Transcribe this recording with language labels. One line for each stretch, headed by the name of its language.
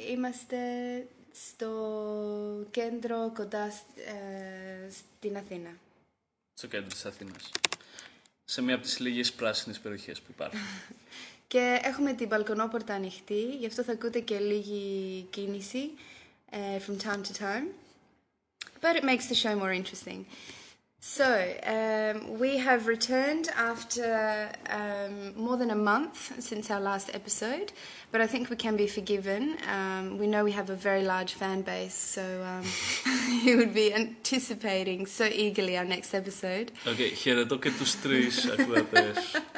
Greek: είμαστε στο κέντρο κοντά στην Αθήνα. Στο κέντρο της Αθήνας. Σε μία από τις λίγες πράσινες περιοχές που υπάρχουν. Και έχουμε την μπαλκονόπορτα ανοιχτή, γι' αυτό θα ακούτε και λίγη κίνηση.
English: from time to time, but it makes the show more interesting. So, we have returned after more than a month since our last episode, but I think we can be forgiven. We know we have a very large fan base, so you would be anticipating so eagerly our next episode.
Greek: Okay, χαιρετώ και τους τρεις ακροατές.